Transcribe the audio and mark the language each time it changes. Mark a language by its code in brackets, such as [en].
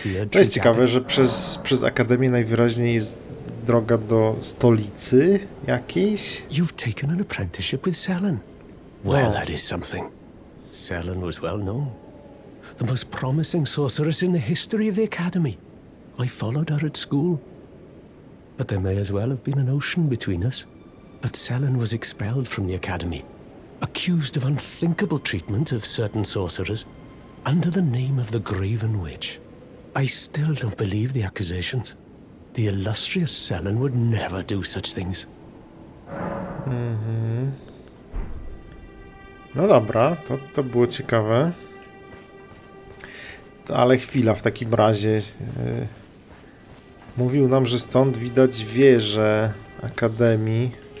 [pl] To jest ciekawe, że przez Akademię najwyraźniej jest droga do stolicy jakiejś. [en] You've taken an apprenticeship with Selen. Well, that is something. Selen was well known. The most promising sorceress in the history of the Academy. I followed her at school. But there may as well have been an ocean between us. But Selen was expelled from the Academy, accused of unthinkable treatment of certain sorcerers, under the name of the Graven Witch. I still don't believe the accusations. The illustrious Selen would never do such things. [pl] No dobra, to było ciekawe. To, ale chwila, w takim razie... mówił nam, że stąd widać wieżę Akademii.